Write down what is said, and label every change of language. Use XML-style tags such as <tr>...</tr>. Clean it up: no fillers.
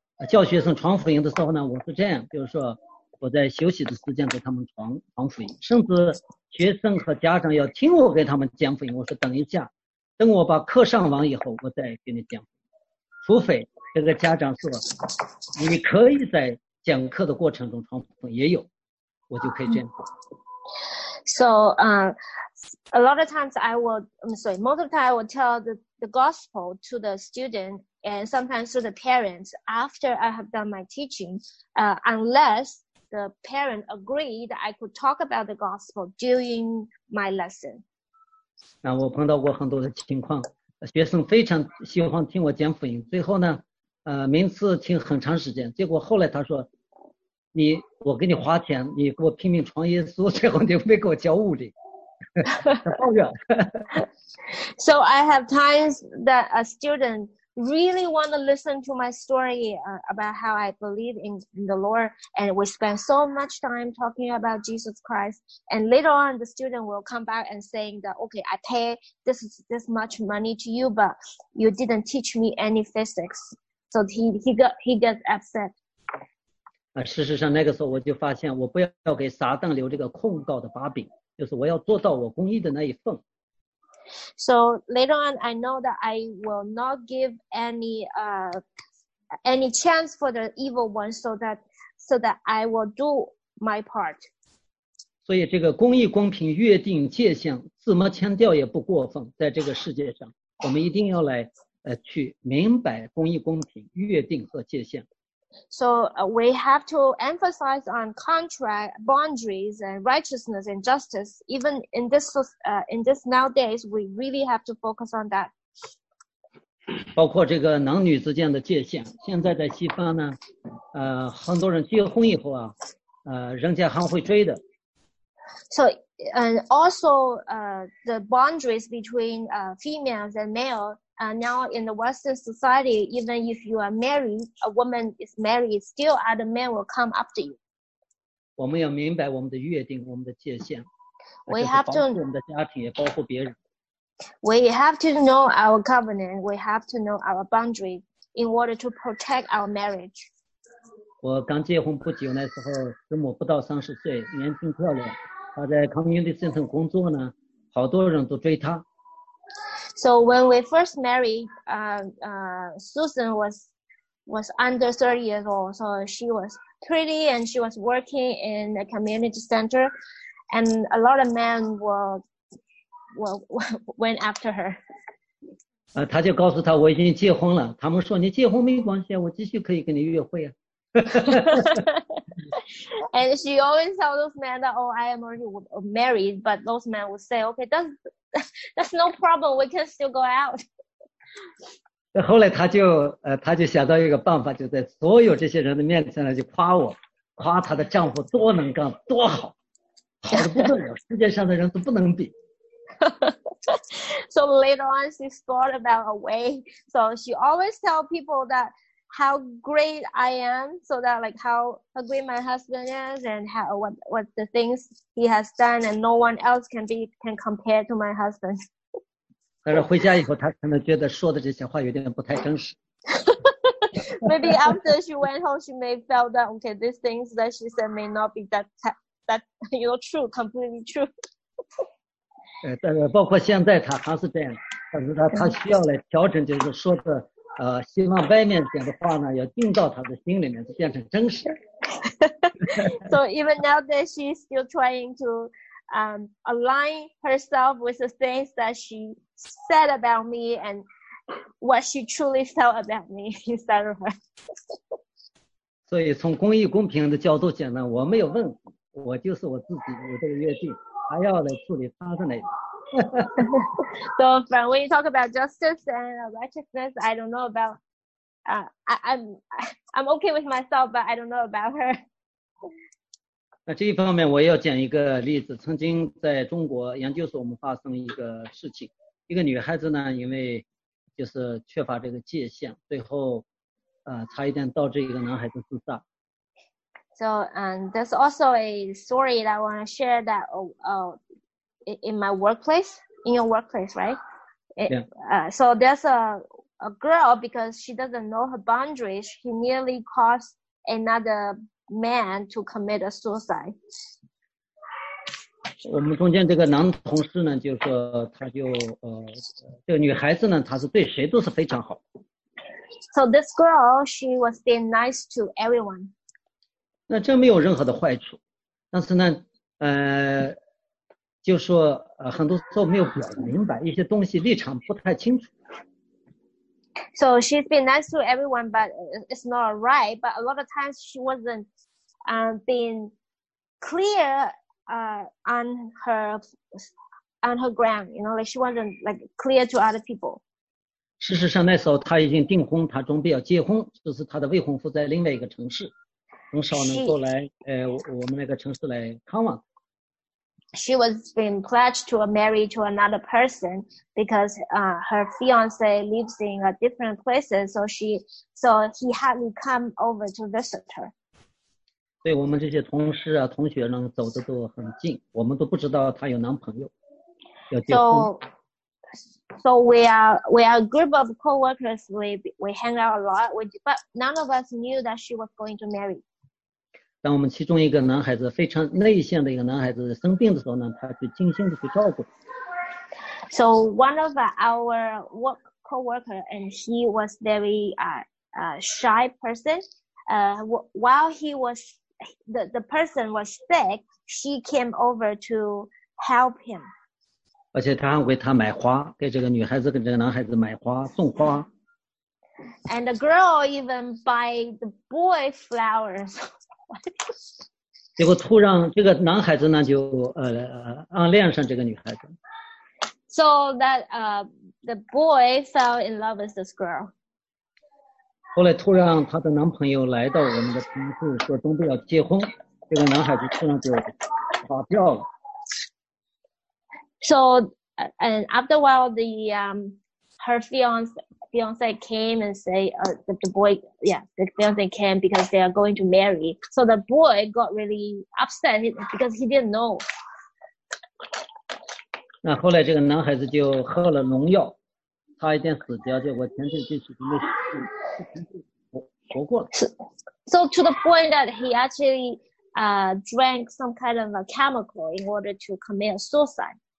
<zh>教学生传福音的时候呢，我是这样，比如说我在休息的时间给他们传福音，甚至学生和家长要听我给他们讲福音，我说等一下，等我把课上完以后，我再给你讲。除非这个家长说，你可以在讲课的过程中传福音，也有，我就可以这样。</zh> <en>So, a lot of times I will, I'm sorry, most of the time I will tell the gospel to the student and sometimes to the parents after I have done my teaching, unless the parent agreed that I could talk about the gospel during my lesson.</en> <zh>那我碰到过很多的情况，学生非常喜欢听我讲福音，最后呢名次听很长时间，结果后来他说你，我给你花钱，你给我拼命传耶稣，最后你没给我教物理。</zh> <en>So I have times that a student really want to listen to my story about how I believe in the Lord, and we spend so much time talking about Jesus Christ, and later on the student will come back and saying that, okay, I pay this much money to you, but you didn't teach me any physics. So he gets upset.</en> <zh>事实上那个时候我就发现我不要给撒旦留这个控告的把柄，就是我要做到我公义的那一份。</zh> <en>So later on, I know that I will not give any chance for the evil one, so that I will do my part.</en> <zh>所以这个公义、公平、约定、界限，怎么强调也不过分。在这个世界上，我们一定要来去明白公义、公平、约定和界限。</zh> <en>So we have to emphasize on contract, boundaries, and righteousness and justice. Even in this nowadays, we really have to focus on that.</en> <zh>包括这个男女之间的界限。现在在西方呢，很多人结婚以后啊，人家还会追的。</zh> <en>So and also the boundaries between females and males. Now in the Western society, even if you are married, a woman is married, still other men will come after you.</en> <zh>我们要明白我们的约定，我们的界限。</zh> <en>We have to.</en> <zh>就是保护我们的家庭，也保护别人。</zh> <en>We have to know our covenant. We have to know our boundary in order to protect our marriage.</en> <zh>我刚结婚不久那时候，师母不到30岁，年轻漂亮。她在 community center 工作呢，好多人都追她。</zh> <en>So when we first married, Susan was under 30 years old. So she was pretty and she was working in a community center. And a lot of men went after her.</en> <zh>他就告诉他我已经结婚了。他们说你结婚没关系，我继续可以跟你约会啊。</zh> <en>And she always tell those men that, oh, I am already married. But those men would say, okay, that's no problem. We can still go out.</en> <zh>后来他就想到一个办法，就在所有这些人的面前呢，就夸我，夸他的丈夫多能干，多好，好的不得了，世界上的人都不能比。</zh> <en>So later on, she thought about a way. So she always tell people that how great I am, so that like how great my husband is, and how what the things he has done, and no one else can compare to my husband.</en> <zh>但是回家以后，她可能觉得说的这些话有点不太真实。</zh> <en>Maybe after she went home, she may felt that okay, these things that she said may not be that you know true, completely true.</en> <zh>但是包括现在她还是这样，但是她需要来调整，就是说的。希望外面讲的话呢，要进到他的心里面，变成真实。</zh> <en>So even now that she's still trying to align herself with the things that she said about me and what she truly felt about me instead of her.</en> <zh>所以从公益公平的角度讲呢，我没有问题，我就是我自己，我这个约定，还要来处理他的那个。</zh> <en>So when you talk about justice and righteousness, I don't know about. I'm okay with myself, but I don't know about her.</en> <zh>那这一方面，我要讲一个例子。曾经在中国研究所，我们发生一个事情。一个女孩子呢，因为就是缺乏这个界限，最后，差一点导致一个男孩子自杀。</zh> <en>So there's also a story that I want to share that in my workplace, in your workplace, right? So there's a girl, because she doesn't know her boundaries, she nearly caused another man to commit a suicide.</en> <zh>我们中间这个男同事呢，就是他就这个女孩子呢，她是对谁都是非常好。</zh> <en>So this girl, she was being nice to everyone.</en> <zh>那这没有任何的坏处，但是呢，就说很多时候没有表达明白一些东西，立场不太清楚。</zh> <en>So she's been nice to everyone, but it's not right. But a lot of times she wasn't being clear on her on her ground, you know, like she wasn't like clear to other people.</en> <zh>事实上那时候她已经订婚，她准备要结婚，就是她的未婚夫在另外一个城市，很少能够来我们那个城市来看望。</zh> <en>She was being pledged to a marry to another person because her fiance lives in a different place, so he hadn't come over to visit her.</en> <zh>对我们这些同事啊同学呢走得都很近，我们都不知道她有男朋友要结婚。</zh> <en>So we are a group of coworkers. We hang out a lot. But none of us knew that she was going to marry.</en> <zh>当我们其中一个男孩子非常内向的一个男孩子生病的时候呢，他去精心的去照顾。</zh> <en>So one of our work coworker and he was very shy person. While he was the person was sick, she came over to help him.</en> <zh>而且他还为他买花，给这个女孩子跟这个男孩子买花送花。</zh> <en>And the girl even buy the boy flowers.</en> <zh>结果突然这个男孩子呢就暗恋上这个女孩子。</zh> <en>So that the boy fell in love with this girl.</en> <zh>后来突然他的男朋友来到我们的城市说准备要结婚，这个男孩子突然就跑掉了。</zh> <en>So, and after a while, her fiance came and say, the fiance came because they are going to marry. So the boy got really upset because he didn't know.</en> <zh>那后来这个男孩子就喝了农药，差一点死掉，结果前天进去就没活过了。</zh> <en>So to the point that he actually drank some kind of a chemical in order to commit suicide.</en>